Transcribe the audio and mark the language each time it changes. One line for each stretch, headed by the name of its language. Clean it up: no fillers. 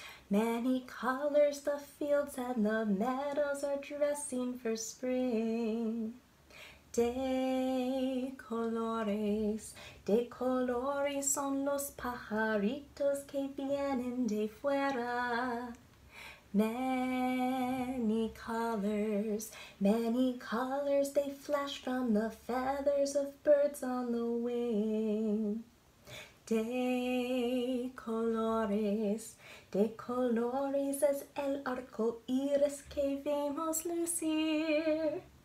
English: Many colors the fields and the meadows are dressing for spring.
Spanish: De colores son los pajaritos que vienen de fuera.
English: Many colors they flash from the feathers of birds on the wing.
Spanish: De colores es el arco iris que vemos lucir.